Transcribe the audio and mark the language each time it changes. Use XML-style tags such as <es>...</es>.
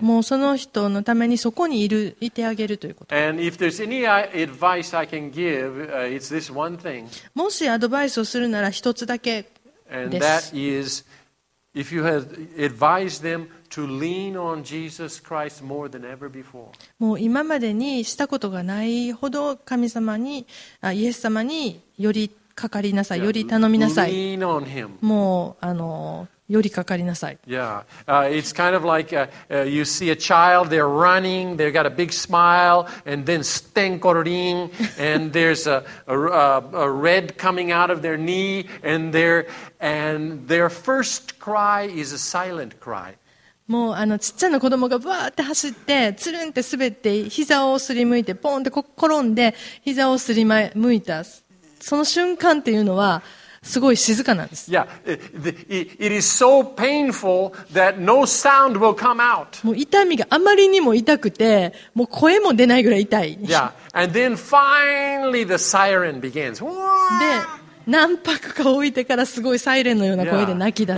<ja>もうその人のためにそこにいてあげるということ。</ja> <en>And if there's any advice I can give, it's this one thing.</en> <ja>もしアドバイスをするなら一つだけです。</ja> <en>And that is, if you had advised them. To lean on Jesus Christ more than ever before.</en> <ja>もう今までにしたことがないほど神様にイエス様によりかかりなさい、より頼みなさい。</ja> <en>Lean on him.</en> <ja>もうよりかかりなさい。</ja> <en>Yeah, it's kind of like you see a child. They're running. They've got a big smile, and then stenkorin, and there's a red coming out of their knee, and their first cry is a silent cry.</en> <ja>もうちっちゃな子供がバーって走ってつるんって滑って膝をすりむいてポンって転んで膝をすりむいたその瞬間っていうのはすごい静かなんです。</ja> <en>Yeah, it is so painful that no sound will come out.</en> <ja>もう痛みがあまりにも痛くてもう声も出ないぐらい痛い。</ja> <en>Yeah, and then finally the siren begins.</en> <ja>で何拍か置いてからすごいサイレンのような声で泣き出す。</ja>